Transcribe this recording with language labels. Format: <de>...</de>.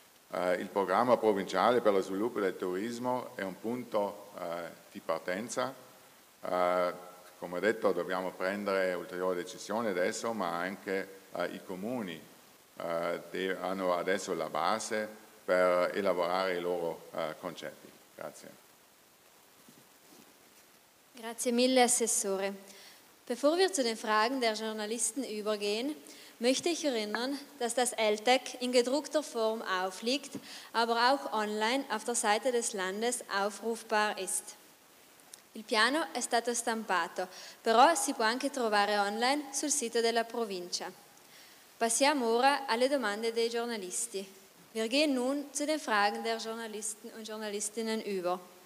<it>Il programma provinciale per lo sviluppo del turismo è un punto di partenza. Come detto, dobbiamo prendere ulteriori decisioni adesso, ma anche i comuni hanno adesso la base per elaborare i loro concetti. Grazie. Grazie mille, Assessore.</it> <de>Bevor wir zu den Fragen der Journalisten übergehen, möchte ich erinnern, dass das LTEC in gedruckter Form aufliegt, aber auch online auf der Seite des Landes aufrufbar ist.</de> <it>Il piano è stato stampato, però si può anche trovare online sul sito della provincia. Passiamo ora alle domande dei giornalisti.</it> <de>Wir gehen nun zu den Fragen der Journalisten und Journalistinnen über.</de>